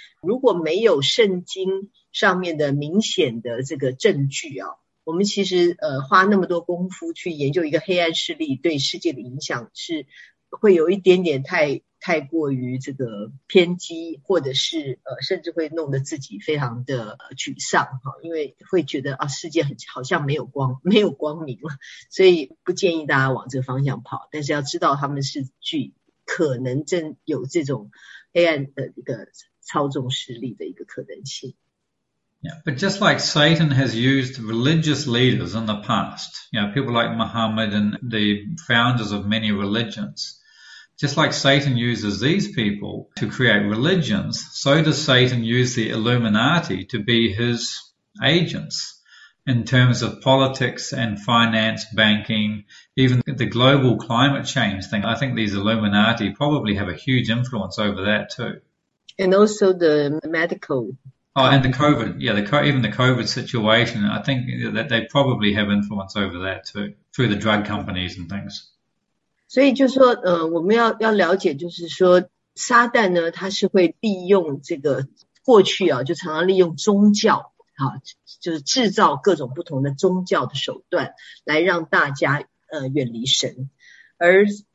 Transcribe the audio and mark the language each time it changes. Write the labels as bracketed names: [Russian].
[Chinese] 如果没有圣经上面的明显的这个证据我们其实花那么多功夫去研究一个黑暗势力对世界的影响，是会有一点点太过于这个偏激，或者是甚至会弄得自己非常的沮丧因为会觉得世界很好像没有光明了，所以不建议大家往这个方向跑。但是要知道他们是具可能正有这种黑暗的一个操纵势力的一个可能性。 [English] But just like Satan has used religious leaders in the past, people like Muhammad and the founders of many religions, just like Satan uses these people to create religions, so does Satan use the Illuminati to be his agents in terms of politics and finance, banking, even the global climate change thing. I think these Illuminati probably have a huge influence over that too. And also the medical Oh, and the company. COVID, yeah, even the COVID situation, I think that they probably have influence over that too, through the drug companies and things. [Chinese] 所以就说，我们要了解，就是说，撒旦呢，他是会利用这个过去就常常利用宗教就是制造各种不同的宗教的手段，来让大家远离神，而。